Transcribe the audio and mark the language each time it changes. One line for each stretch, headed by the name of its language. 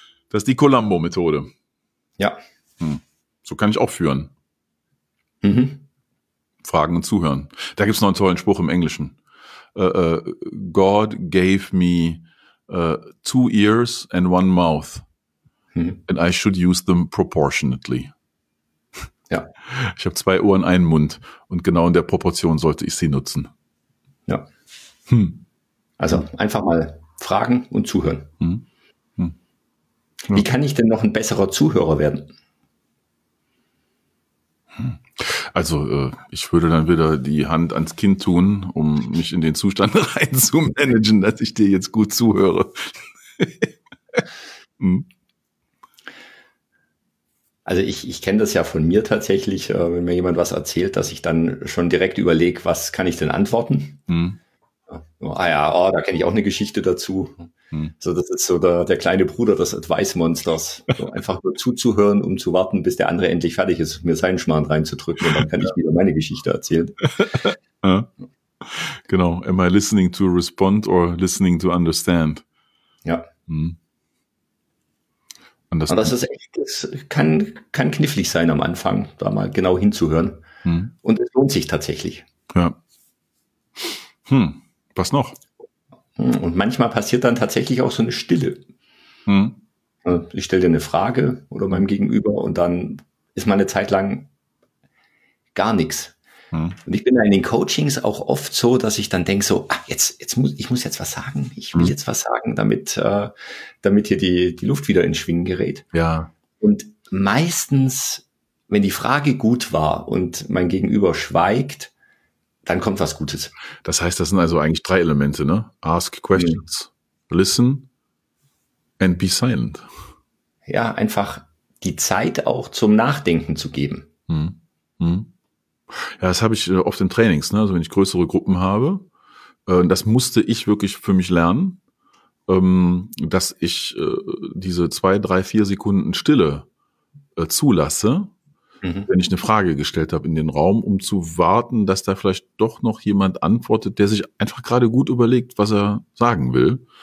German: Das ist die Colombo-Methode. Ja. So kann ich auch führen. Fragen und zuhören. Da gibt's noch einen tollen Spruch im Englischen.
English: God gave me 2 ears and 1 mouth. And I should use them proportionately.
German: Ja. Ich habe 2 Ohren, 1 Mund. Und genau in der Proportion sollte ich sie nutzen. Ja. Also einfach mal fragen und zuhören. Wie kann ich denn noch ein besserer Zuhörer werden? Also ich würde dann wieder die Hand ans Kind tun, um mich in den Zustand reinzumanagen, dass ich dir jetzt gut zuhöre. Also ich kenne das ja von mir tatsächlich, wenn mir jemand was erzählt, dass ich dann schon direkt überlege, was kann ich denn antworten? Da kenne ich auch eine Geschichte dazu. So, das ist so der kleine Bruder des Advice-Monsters. So einfach nur zuzuhören, um zu warten, bis der andere endlich fertig ist, mir seinen Schmarrn reinzudrücken und dann kann ich wieder meine Geschichte erzählen. Genau.
English: Am I listening to respond or listening to understand?
German: Ja. Und das ist echt, das kann knifflig sein am Anfang, da mal genau hinzuhören. Und es lohnt sich tatsächlich. Ja. Was noch? Und manchmal passiert dann tatsächlich auch so eine Stille. Ich stelle dir eine Frage oder meinem Gegenüber und dann ist mal eine Zeit lang gar nichts. Und ich bin da in den Coachings auch oft so, dass ich dann denke so, ich muss jetzt was sagen. Ich will jetzt was sagen, damit hier die Luft wieder ins Schwingen gerät. Ja. Und meistens, wenn die Frage gut war und mein Gegenüber schweigt, dann kommt was Gutes. Das heißt, das sind also eigentlich 3 Elemente, ne?
English: Ask questions, listen and be silent.
German: Ja, einfach die Zeit auch zum Nachdenken zu geben. Ja, das habe ich oft in Trainings, ne? Also wenn ich größere Gruppen habe, das musste ich wirklich für mich lernen, dass ich diese 2, 3, 4 Sekunden Stille zulasse, wenn ich eine Frage gestellt habe in den Raum, um zu warten, dass da vielleicht doch noch jemand antwortet, der sich einfach gerade gut überlegt, was er sagen will.